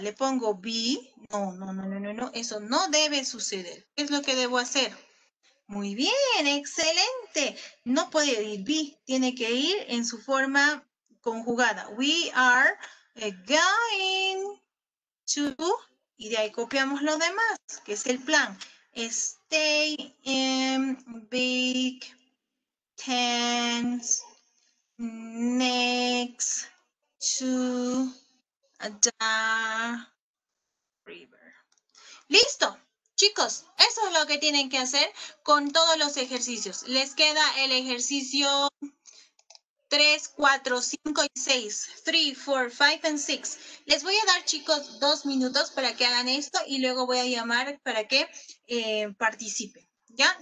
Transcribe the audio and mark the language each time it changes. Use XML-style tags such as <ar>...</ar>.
<es>Le pongo be. No, no, no, no, no, no. Eso no debe suceder. ¿Qué es lo que debo hacer? Muy bien, excelente. No puede ir be. Tiene que ir en su forma conjugada.</es> <en>We are going to.</en> <es>Y de ahí copiamos lo demás, que es el plan.</es> <en>Stay in big tents next to the river.</en> <es>Listo, chicos, eso es lo que tienen que hacer con todos los ejercicios. Les queda el ejercicio 3, 4, 5 y 6. 3, 4, 5 and 6. Les voy a dar, chicos, 2 minutos para que hagan esto y luego voy a llamar para que participen. ¿Ya?</es>